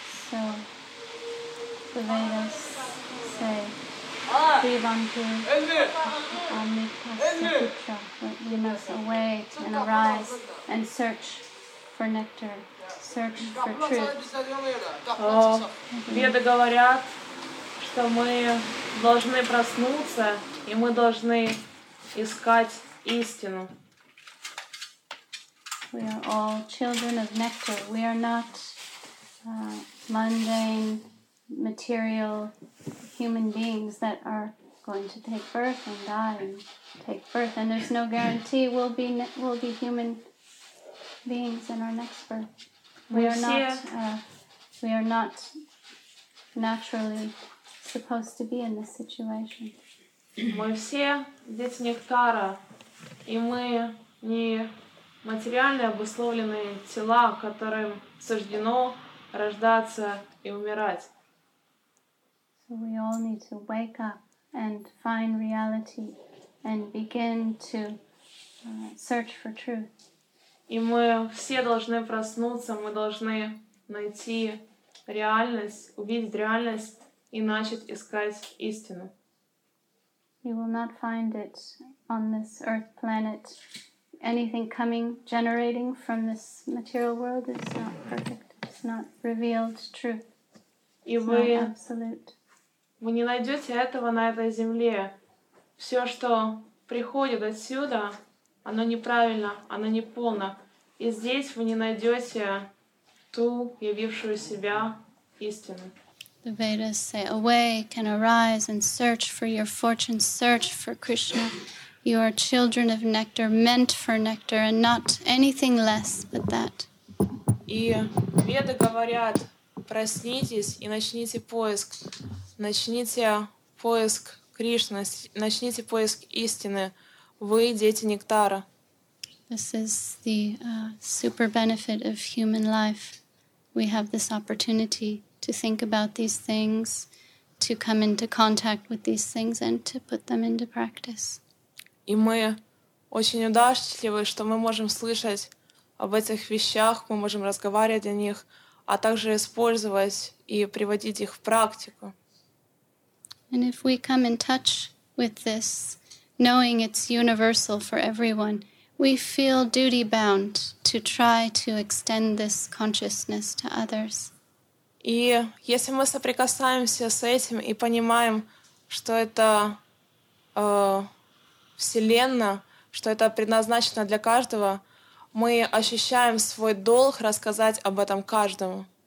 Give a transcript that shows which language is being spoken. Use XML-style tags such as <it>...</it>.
<en>So, the Vedas say, Devanti, Amitasukucha, you must await and arise and search for nectar. Search for truth.</en> <ru>Веды говорят, что мы должны проснуться, и мы должны искать истину.</ru> <en>We are all children of nectar. We are not mundane, material human beings that are going to take birth and die and take birth. And there's no guarantee we'll be human beings in our next birth. We are not naturally supposed to be in this situation.</en> <ru>Мы все дети нектара, и мы не материально обусловленные тела, которым суждено рождаться и умирать.</ru> <en>So we all need to wake up and find reality and begin to search for truth.</en> <ru>И мы все должны проснуться, мы должны найти реальность, увидеть реальность и начать искать истину.</ru> <en>You will not find it on this earth planet, anything coming, generating from this material world is not perfect. It's not revealed truth. It's not absolute.</en> <ru>Вы не найдете этого на этой земле. Все, что приходит отсюда, оно неправильно, оно не полно. И здесь вы не найдете ту, явившую себя истину.</ru> <en>The Vedas say, awake and arise and search for your fortune, search for Krishna. You are children of nectar, meant for nectar, and not anything less but that.</en> <ru>И Веды говорят, проснитесь и начните поиск. Начните поиск Кришны, начните поиск истины. Вы дети нектара.</ru> <en>This is the super benefit of human life. We have this opportunity to think about these things, to come into contact with these things, and to put them into practice.</en> <ru>И мы очень удачливы, что мы можем слышать об этих вещах, мы можем разговаривать о них, а также использовать и приводить их в практику.</ru> <en>And if we come in touch with this, knowing it's universal for everyone, we feel duty-bound to try to extend this consciousness to others.</en> <ru>И если мы соприкасаемся с этим и понимаем, что это Вселенная, что это предназначено для каждого, мы ощущаем свой долг рассказать об этом каждому.</ru>